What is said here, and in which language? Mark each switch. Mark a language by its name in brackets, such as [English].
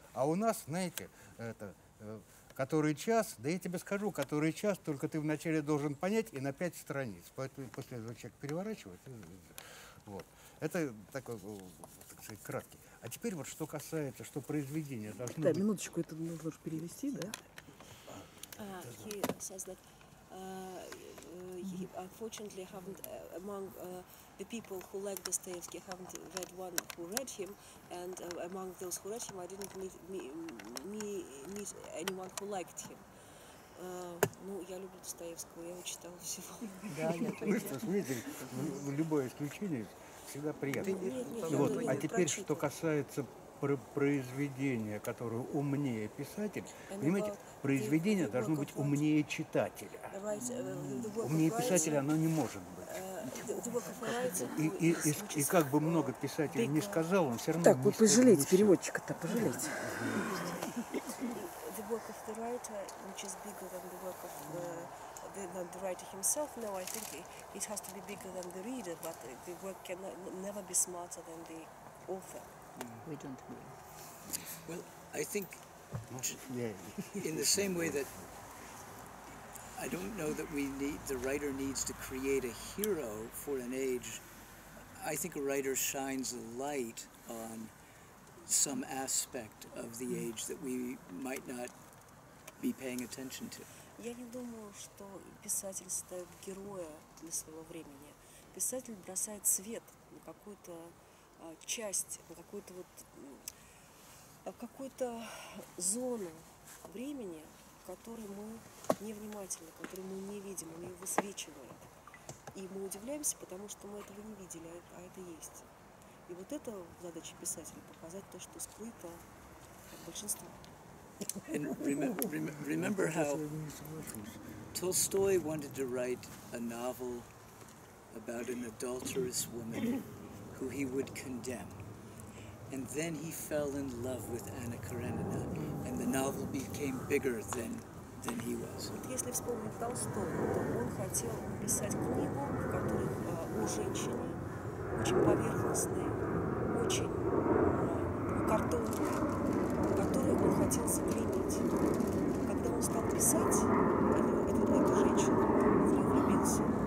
[Russian] А у нас, знаете, это, который час, да я тебе скажу, который час, только ты вначале должен понять и на 5 страниц. Поэтому после этого человек переворачивает. Вот. Это такой, так сказать, краткий. А теперь вот что касается, что произведение должно быть... Да, минуточку, это нужно же перевести, да? [English] He says that he unfortunately haven't among the people who like Dostoevsky haven't read one who read him, and among those who read him I didn't meet anyone who liked him. [Russian] Ну, я люблю Достоевского, я его читала всего. Да, нет, смотрите, любое исключение всегда приятно. Нет, нет, вот. Нет, а теперь, что касается произведения, которое умнее писатель, понимаете, произведение должно быть умнее читателя. Умнее писателя оно не может быть. И как бы много писателей ни сказал, он все равно... Так, вы пожалеете переводчика-то, пожалеете. [English] The work of the writer, which is bigger than the work of the writer himself, no, I think it has to be bigger than the reader, but the work can never be smarter than the author. We don't agree. Well, I think in the same way that I don't know that the writer needs to create a hero for an age, I think a writer shines a light on some aspect of the age that we might not be paying attention to. [Russian] Я не думаю, что писатель ставит героя для своего времени. Писатель бросает свет на какую-то часть, на какую-то вот какую-то зону времени, в которой мы невнимательны, которую мы не видим, мы ее высвечиваем. И мы удивляемся, потому что мы этого не видели, а это есть. И вот это задача писателя – показать то, что скрыто от большинства. [English] And remember how Tolstoy wanted to write a novel about an adulterous woman who he would condemn. And then he fell in love with Anna Karenina, and the novel became bigger than he was. [Russian] Вот если вспомнить Толстого, то он хотел написать книгу, в которой о женщине, очень поверхностной, очень картонной, которую он хотел заклинить. Когда он стал писать эту женщину, он в нее влюбился.